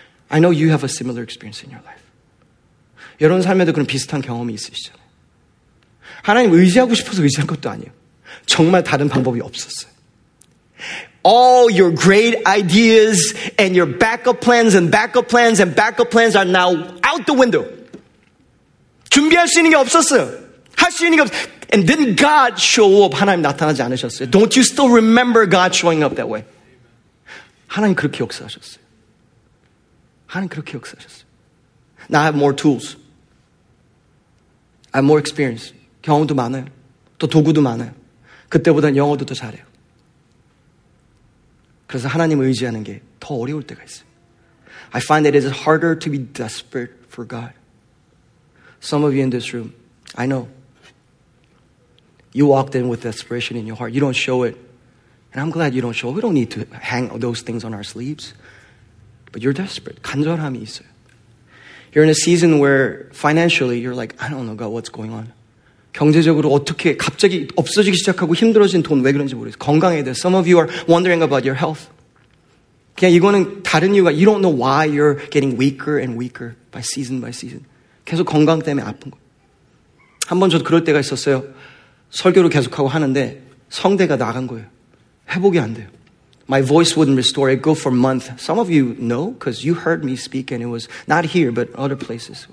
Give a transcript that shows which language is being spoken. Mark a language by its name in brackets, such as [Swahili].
[English] I know you have a similar experience in your life. [Korean] 여러분 삶에도 그런 비슷한 경험이 있으시잖아요. 하나님 의지하고 싶어서 의지한 것도 아니에요. 정말 다른 방법이 없었어요. [English] All your great ideas and your backup plans and backup plans and backup plans are now out the window. [Korean] 준비할 수 있는 게 없었어요. 할 수 있는 게 없었어요. [English] And didn't God show up? [Korean] 하나님 나타나지 않으셨어요? [English] Don't you still remember God showing up that way? [Korean] 하나님 그렇게 역사하셨어요. 하나님 그렇게 역사하셨어요. [English] Now I have more tools. I have more experience. [Korean] 경험도 많아요. 또 도구도 많아요. 그때보다는 영어도 더 잘해요. 그래서 하나님을 의지하는 게 더 어려울 때가 있어요. [English] I find that it is harder to be desperate for God. Some of you in this room, I know. You walked in with desperation in your heart. You don't show it. And I'm glad you don't show it. We don't need to hang those things on our sleeves. But you're desperate. [Korean] 간절함이 있어요. [English] You're in a season where financially you're like, I don't know, God, what's going on? [Korean] 경제적으로 어떻게 갑자기 없어지기 시작하고 힘들어진 돈 왜 그런지 모르겠어요. 건강에 대해서. [English] Some of you are wondering about your health. [Korean] 그냥 이거는 다른 이유가 [English] you don't know why you're getting weaker and weaker by season by season. [Korean] 계속 건강 때문에 아픈 거. 한번 저도 그럴 때가 있었어요. 설교를 계속하고 하는데 성대가 나간 거예요. 회복이 안 돼요. [English] My voice wouldn't restore. It'd go for a month. Some of you know because you heard me speak and it was not here but other places.